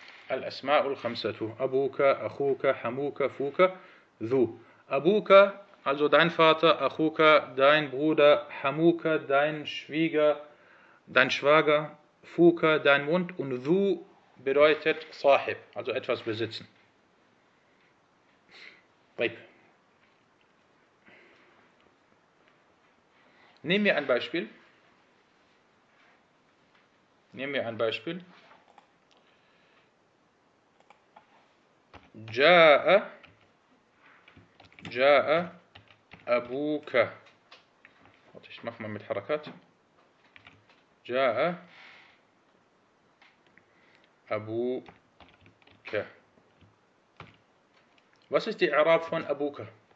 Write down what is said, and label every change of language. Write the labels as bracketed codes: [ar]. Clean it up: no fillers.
[ar] الأسماء الخمسة أبوك أخوك حموك فوك ذو [de] أبوك also dein Vater أخوك dein Bruder حموك dein Schwieger dein Schwager فوك dein Mund und ذو bedeutet صاحب also etwas besitzen. طيب نيم مي ان بايسبيل [ar] Ja'a Abuka. [de] Warte, ich mach mal mit Harakat. [ar] Ja'a Abuka. [de] Was ist die Arab von Abuka?